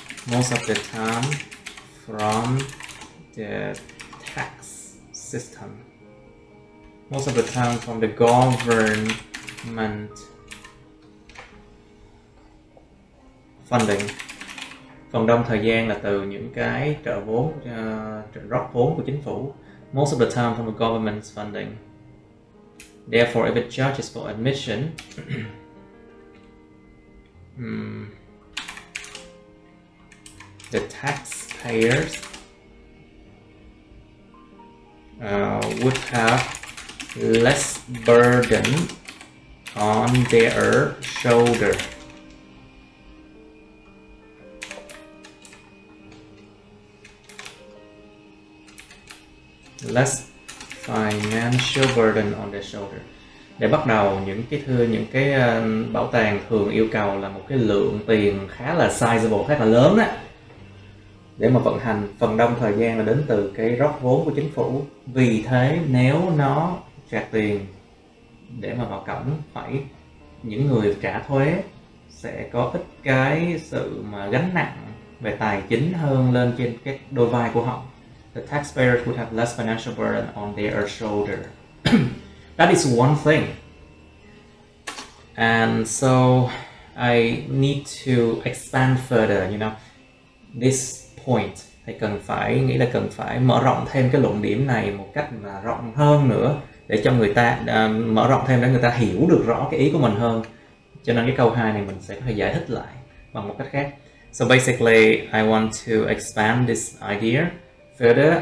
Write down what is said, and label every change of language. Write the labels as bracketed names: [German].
[English] most of the time from the tax system, most of the time from the government funding. [Vietnamese] Phần đông thời gian là từ những cái trợ vốn, trợ rót vốn của chính phủ. [English] Most of the time from the government's funding. Therefore, if it charges for admission, the taxpayers would have less burden on their shoulder. Less financial burden on their shoulder. [Vietnamese] Để bắt đầu, những cái bảo tàng thường yêu cầu là một cái lượng tiền khá là sizable, khá là lớn á, để mà vận hành. Phần đông thời gian là đến từ cái rót vốn của chính phủ. Vì thế nếu nó trả tiền để mà vào cổng, phải những người trả thuế sẽ có ít cái sự mà gánh nặng về tài chính hơn lên trên cái đôi vai của họ. [English] The taxpayers would have less financial burden on their shoulder. That is one thing. And so I need to expand further, you know, this point. [Vietnamese] Thầy cần phải, nghĩ là cần phải mở rộng thêm cái luận điểm này một cách mà rộng hơn nữa, để cho người ta mở rộng thêm, để người ta hiểu được rõ cái ý của mình hơn. Cho nên cái câu 2 này mình sẽ có thể giải thích lại bằng một cách khác. [English] So basically, I want to expand this idea further.